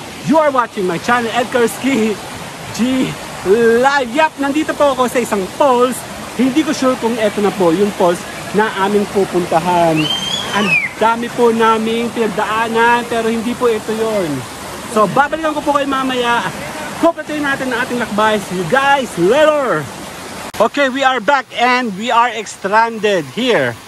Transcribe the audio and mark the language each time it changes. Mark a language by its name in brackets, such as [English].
[English] You are watching my channel, Edgar Ski G Live. [Filipino] Yup, nandito po ako sa isang falls. Hindi ko sure kung eto na po yung falls na aming pupuntahan. Ang dami po naming pinagdaanan, pero hindi po ito yon. So, babalikan ko po kayo mamaya. Kukutuin natin ang ating lakbay. [English] See you guys later! Okay, we are back and we are stranded here.